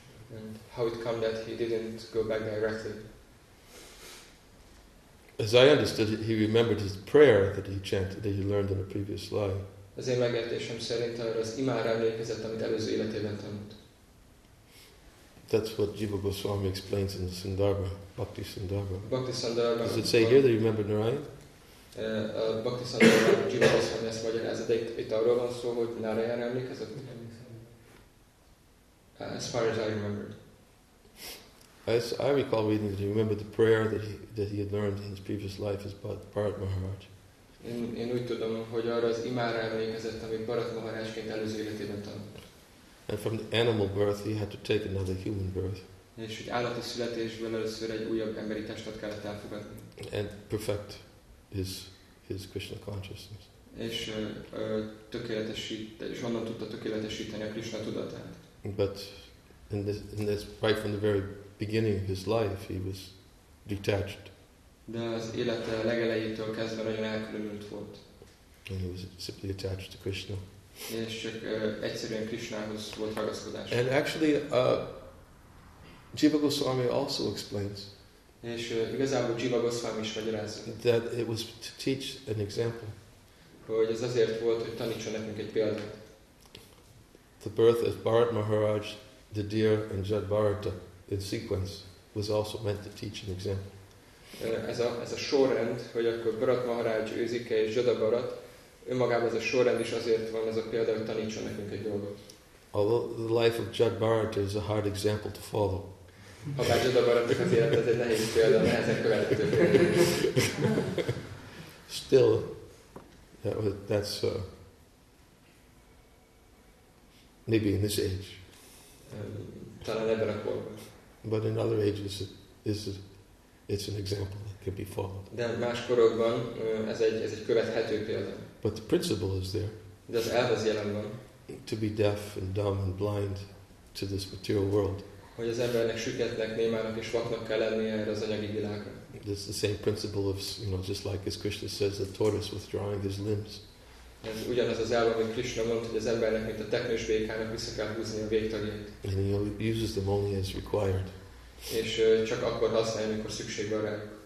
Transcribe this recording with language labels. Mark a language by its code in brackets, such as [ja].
[en] And how it came that he didn't go back directly. As I understood it, he remembered his prayer that he chanted, that he learned in a previous life. [hu] Az én megértésem szerint arra az imára emlékezett, amit előző életében tanult. [en] That's what Jiva Goswami explains in the Sundarbha, Bhakti Sundarbha. Bhakti Sundarbha. Does it say here that you remember Narayan? [hu] Bhakti Sundarbha, Jiva Goswami ezt magyarázat, de itt arról van szó, hogy Narayan emlékezett. [en] As far as I remember. As I recall reading that he remembered the prayer that he had learned in his previous life as Bharat Maharaj. [hu] Én úgy tudom, hogy arra az imára emlékezett, amit Bharat Maharajként előző életében tanult. [en] And from the animal birth, he had to take another human birth. [hu] És hogy állati születésből először egy újabb emberi testet kellett elfogadni. [en] And perfect his Krishna consciousness. [hu] És tökéletesíteni, és onnan tudta tökéletesíteni a Krishna tudatát. [en] But in this, right from the very beginning of his life, he was detached. [hu] De az élete legelejétől kezdve nagyon elkülönült volt. [en] And he was simply attached to Krishna. [hu] És csak egyszerűen Krishnához volt ragaszkodás. [en] And actually, Jiva Goswami also explains. [hu] És igazából Jiva Goswami is magyarázza. [en] That it was to teach an example. [hu] Hogy ez azért volt, hogy tanítson nekünk egy példát. [en] The birth of Bharat Maharaj, the deer, and Jad Bharata in sequence was also meant to teach an example. [hu] Ez a sorrend, hogy akkor Bharat Maharaj, Őzike és Jada Bharat, önmagában ez a sorrend is azért van, ez a példa, hogy tanítson nekünk egy dolgot. [en] Although the life of Jad Bharata is a hard example to follow. [hu] Habár Jada Bharata az élet, ez egy nehéz példa, nehezen követhető. [en] Still, that's maybe in this age. [hu] Talán ebben a korban. [en] But in other ages, it's an example that can be followed. [hu] De más korokban ez egy követhető példa. [en] But the principle is there. [hu] De az elv az jelen van. [en] To be deaf and dumb and blind to this material world. [hu] Hogy az embernek süketnek, némának és vaknak kell lennie erre az anyagi világra. [en] This is the same principle of, you know, just like as Krishna says, the tortoise withdrawing his limbs. [hu] Ez ugyanaz az elv, amit Krishna mond, hogy az embernek, mint a teknős békának vissza kell húzni a végtagjait. [en] And he uses them only as required. [hu] És csak akkor használja, amikor szükség van rá.